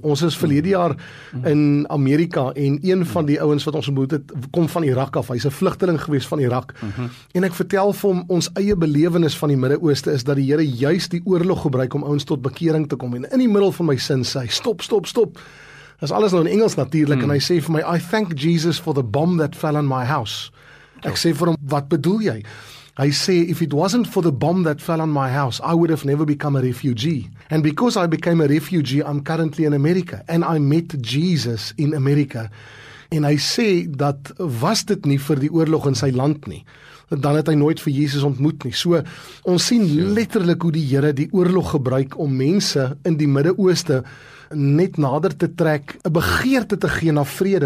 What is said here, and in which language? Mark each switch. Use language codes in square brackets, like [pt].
[af] Ons is verlede jaar in Amerika en een van die ouens wat ons ontmoet het, kom van Irak af. Hy's 'n vlugteling gewees van Irak. En ek vertel vir hom ons eie belewenis van die Midde-Ooste is dat die Here juis die oorlog gebruik om ouens tot bekering te kom. En in die middel van my sin sê hy, stop. Dis alles nou in Engels natuurlik en hy sê vir my, [en] I thank Jesus for the bomb that fell on my house. [af] Ek sê vir hom, wat bedoel jy? [en] I say, if it wasn't for the bomb that fell on my house, I would have never become a refugee. And because I became a refugee, I'm currently in America. And I met Jesus in America. [af] En hy sê dat was dit nie vir die oorlog in sy land nie, dan het hy nooit vir Jesus ontmoet nie. So, ons sien letterlik hoe die Here die oorlog gebruik om mense in die Midde-Ooste net nader te trek, 'n begeerte te gee na vrede.